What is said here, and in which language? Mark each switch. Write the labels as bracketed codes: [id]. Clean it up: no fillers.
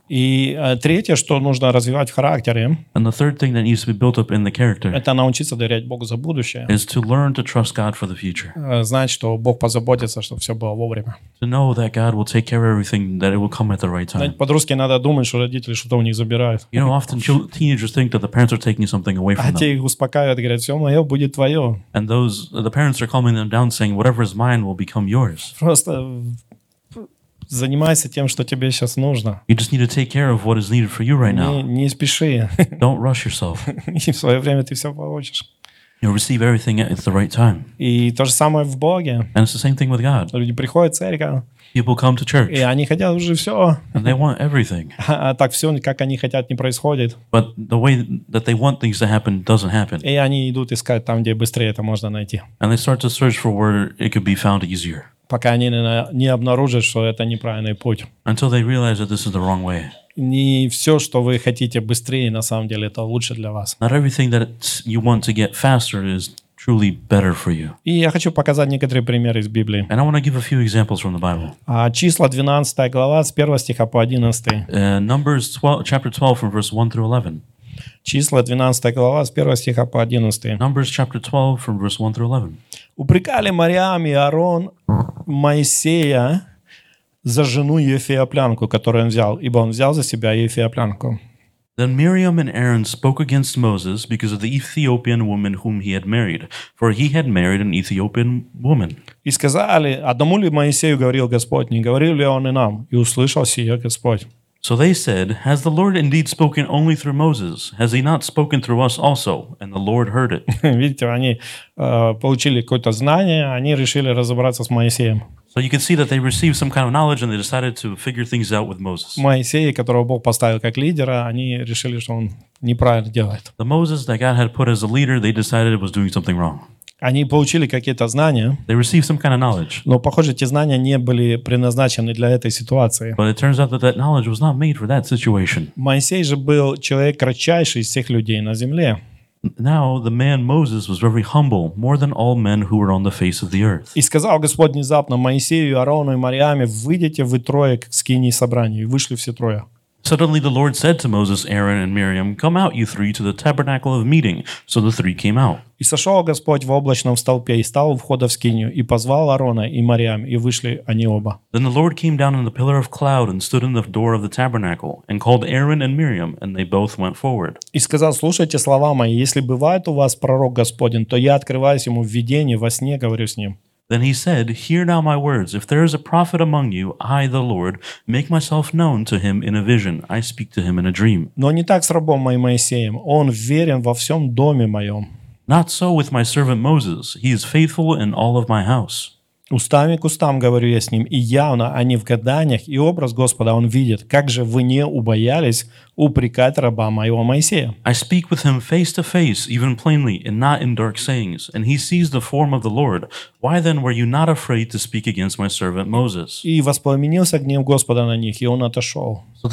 [ru] И третье, что нужно развивать в характере, [en] and the third thing that needs to be built up in the character, [ru] это научиться доверять Богу за будущее, [en] is to learn to trust God for the future. [ru] Знать, что Бог позаботится, чтобы все было вовремя. [en] To know that God will take care of everything, that it will come at the right time. [ru] Знаете, подростки надо думать, что родители что-то у них забирают. [en] You know, often teenagers think that the parents are taking something away from them. [ru] А те их успокаивают, говорят, все мое будет твое. [en] And the parents are calming them down, saying, whatever is mine will become yours. [ru] Просто занимайся тем, что тебе сейчас нужно. [en] You just need to take care of what is needed for you right now. [ru] Не спеши. [en] Don't rush yourself. [ru] И в свое время ты все получишь. [en] You'll receive everything at the right time. [ru] И то же самое в Боге. [en] And it's the same thing with God. [ru] Люди приходят в церковь. [en] People come to church. [ru] И они хотят уже все. [en] And they want everything. [ru] А так все, как они хотят, не происходит. [en] But the way that they want things to happen doesn't happen. [ru] И они идут искать там, где быстрее это можно найти. [en] And they start to search for where it could be found easier. [ru] Пока они не обнаружат, что это неправильный путь. [en] Until they realize that this is the wrong way. [ru] Не все, что вы хотите быстрее, на самом деле, это лучше для вас. [en] Not everything that you want to get faster is truly better for you. [ru] И я хочу показать некоторые примеры из Библии. [en] And I want to give a few examples from the Bible. [ru] Числа 12 глава с 1 стиха по 11. [en] Numbers 12, chapter 12 from verse 1 through 11. [ru] Числа 12 глава с 1 стиха по 11. [en] Numbers chapter 12 from verse 1 through 11. [ru] Упрекали Мариам и Аарон Моисея за жену Ефиоплянку, которую он взял, ибо он взял за себя Ефиоплянку. [en] Then Miriam and Aaron spoke against Moses because of the Ethiopian woman whom he had married, for he had married an Ethiopian woman. [ru] И сказали, одному ли Моисею говорил Господь, не говорил ли он и нам, и услышал сие Господь. [en] So they said, has the Lord indeed spoken only through Moses? Has he not spoken through us also? And the Lord heard it. [ru] Видите, они получили какое-то знание, они решили разобраться с Моисеем. [en] So you can see that they received some kind of knowledge and they decided to figure things out with Moses. [ru] Моисей, которого Бог поставил как лидера, они решили, что он неправильно делает. [en] The Moses that God had put as a leader, they decided it was doing something wrong. [ru] Они получили какие-то знания. [en] They received some kind of knowledge. [ru] Но, похоже, эти знания не были предназначены для этой ситуации. [en] But it turns out that that knowledge was not made for that situation. [ru] Моисей же был человек кратчайший из всех людей на земле. [en] Now the man Moses was very humble, more than all men who were on the face of the earth. [ru] И сказал Господь внезапно Моисею, Аарону и Мариаме: «Выйдите вы трое к скинии собрания». И вышли все трое. [en] Suddenly the Lord said to Moses, Aaron, and Miriam, come out, you three, to the tabernacle of meeting. So the three came out. [ru] И сошел Господь в облачном столпе и стал у входа в скинию, и позвал Аарона и Мариам, и вышли они оба. [en] Then the Lord came down in the pillar of cloud and stood in the door of the tabernacle, and called Aaron and Miriam, and they both went forward. [ru] И сказал, слушайте слова мои, если бывает у вас пророк Господень, то я открываюсь ему в видении, во сне говорю с ним. [en] Then he said, hear now my words. If there is a prophet among you, I, the Lord, make myself known to him in a vision. I speak to him in a dream. [ru] Но не так с рабом моим Моисеем. Он верен во всем доме моем. [en] Not so with my servant Moses. He is faithful in all of my house. [ru] Устами к устам говорю я с ним, и явно, а не в гаданиях, и образ Господа он видит. Как же вы не убоялись упрекать раба моего Моисея? [en] I speak with him face to face, even plainly, and not in dark sayings. And he sees the form of the Lord. Why then were you not afraid to speak against my servant Moses? [ru] И воспламенился гнев Господа на них, и он отошел.